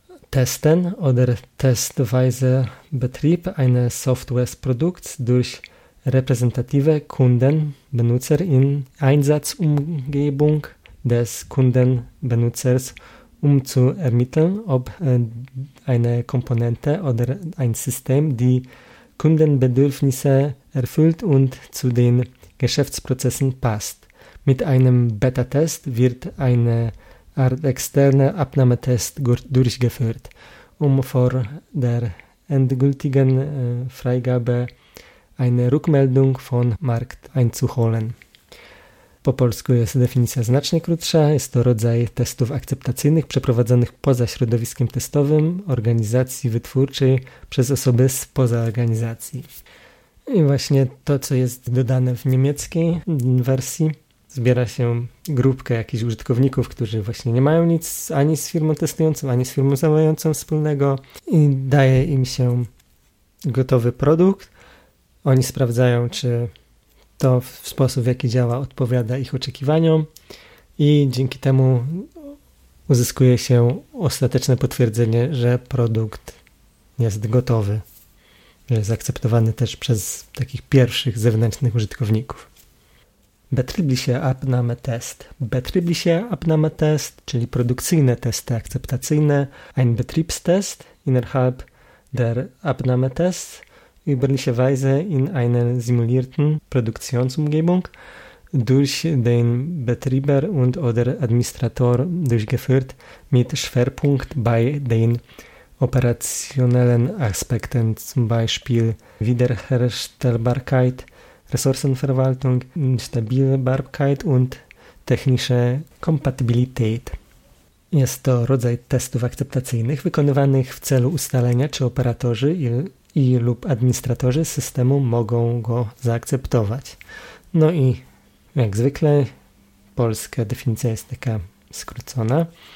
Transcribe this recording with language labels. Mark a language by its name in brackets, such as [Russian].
[German] Testen oder testweise Betrieb eines Softwareprodukts durch repräsentative Kunden, Benutzer in Einsatzumgebung des Kundenbenutzers, um zu ermitteln, ob eine Komponente oder ein System die Kundenbedürfnisse erfüllt und zu den Geschäftsprozessen passt. Mit einem Beta-Test wird eine Art externer Abnahmetest durchgeführt, um vor der endgültigen Freigabe eine Rückmeldung von Markt einzuholen. [Polish] Po polsku jest definicja znacznie krótsza. Jest to rodzaj testów akceptacyjnych przeprowadzonych poza środowiskiem testowym organizacji wytwórczej przez osoby spoza organizacji. I właśnie to, co jest dodane w niemieckiej wersji, zbiera się grupkę jakichś użytkowników, którzy właśnie nie mają nic ani z firmą testującą, ani z firmą zamawiającą wspólnego i daje im się gotowy produkt. Oni sprawdzają, czy to w sposób, w jaki działa, odpowiada ich oczekiwaniom i dzięki temu uzyskuje się ostateczne potwierdzenie, że produkt jest gotowy, że jest akceptowany też przez takich pierwszych zewnętrznych użytkowników. [German] Betriebliche Abnahmetest. [Polish] Betriebliche Abnahmetest, czyli produkcyjne testy akceptacyjne. [German] Ein Betriebstest innerhalb der Abnahmetest. Üblicherweise in einer simulierten Produktionsumgebung durch den Betreiber und oder Administrator durchgeführt mit Schwerpunkt bei den operationellen Aspekten, zum Beispiel Wiederherstellbarkeit, Ressourcenverwaltung, Instabilbarkeit und technische Kompatibilität. [Polish] Jest to rodzaj testów akceptacyjnych wykonywanych w celu ustalenia, czy operatorzy i lub administratorzy systemu mogą go zaakceptować. No i jak zwykle polska definicja jest taka skrócona.